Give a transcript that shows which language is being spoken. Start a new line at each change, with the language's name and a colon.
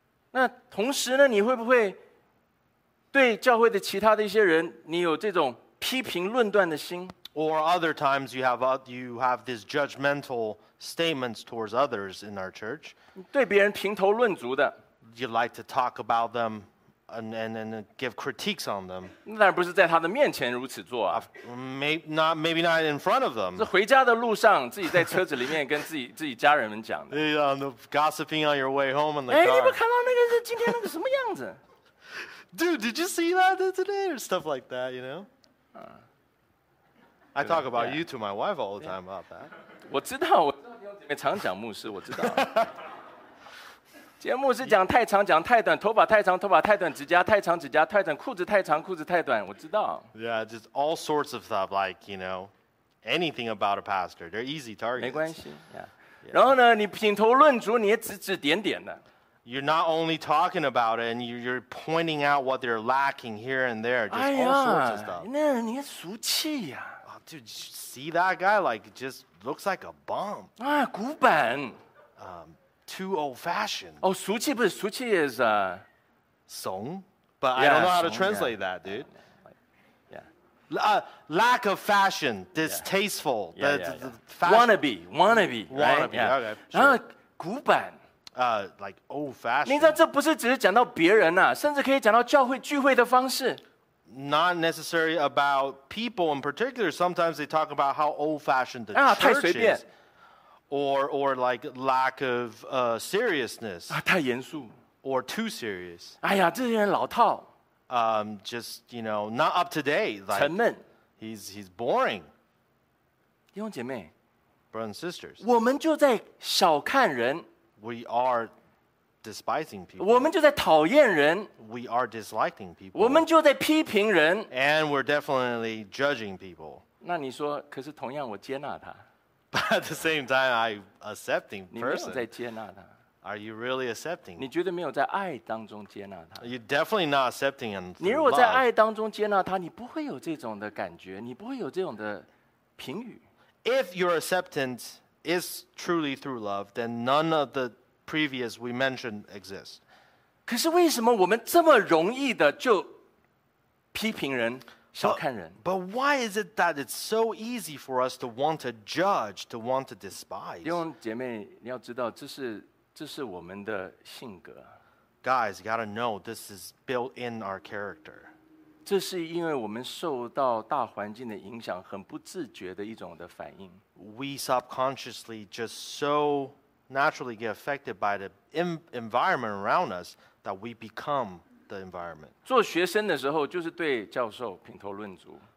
Chinese: 那同时呢，你会不会对教会的其他的一些人，你有这种批评论断的心？
English: Or other times you have this judgmental statements towards others in our church.
Chinese: 对别人评头论足的。
English: You like to talk about them and give critiques on them.
Chinese: 那当然不是在他的面前如此做啊。
English: Maybe not in front of them.
Chinese: 是回家的路上，自己在车子里面跟自己家人们讲的。
English: Gossiping on your way home in the car.
Chinese: 哎，你们看到那个是今天那个什么样子？
English: Dude, did you see that today? Or stuff like that, you know? I talk about you to my wife all the time about that.
Chinese: 我知道，我因为常讲牧师，我知道。节目是讲太长，讲太短，头发太长，头发太短，指甲太长，指甲太短，裤子太长，裤子太短，我知道。
English: Yeah, just all sorts of stuff, like, you know, anything about a pastor. They're easy targets.
Chinese: 没关系。Yeah. 然后呢，你品头论足，你也指指点点的。
English: You're not only talking about it, and you're pointing out what they're lacking here and there. Just all sorts of stuff.
Chinese: 那你也俗气呀。
English: Dude, see that guy? Like, just looks like a bum.
Chinese: 啊，古板。
English: Too old-fashioned.
Chinese: 哦，俗气不是俗气 is 怂。
English: But I don't know how to translate that, dude. Yeah. Lack of fashion, distasteful. Yeah. Wannabe, right? Wannabe. Yeah. Okay. Sure.
Chinese: 然后古板。
English: Like old-fashioned.
Chinese: 你知道这不是只是讲到别人呐，甚至可以讲到教会聚会的方式。
English: Not necessarily about people in particular. Sometimes they talk about how old-fashioned the church
Chinese: 太随便
English: is. Or like lack of seriousness.
Chinese: 啊，太严肃。
English: Or too serious.
Chinese: 哎呀，这些人老套。
English: Just, you know, not up to date. Like,
Chinese: 沉闷。
English: He's boring.
Chinese: 弟兄姐妹。
English: Brothers and sisters.
Chinese: 我们就在小看人。
English: We are... Despising people.
Chinese: 我们就在讨厌人。
English: We are disliking people.
Chinese: 我们就在批评人。
English: And we're definitely judging people.
Chinese: 那你说，可是同样我接纳他。
English: But at the same time, I'm accepting person.
Chinese: 你没有在接纳他。
English: Are you really accepting?
Chinese: 你绝对没有在爱当中接纳他。
English: You're definitely not accepting and love.
Chinese: 你如果在爱当中接纳他，你不会有这种的感觉，你不会有这种的评语。
English: If your acceptance is truly through love, then none of the... previous we mentioned exist.
Chinese: 可是为什么我们这么容易的就批评人小看人
English: but why is it that it's so easy for us to want to judge, to want to despise?
Chinese: 弟兄姐妹你要知道这是我们的性格
English: Guys, you gotta know this is built in our character.
Chinese: 这是因为我们受到大环境的影响很不自觉的一种的反应
English: We subconsciously just so... naturally get affected by the environment around us that we become the environment.
Chinese: 做学生的时候就是对教授品头论足。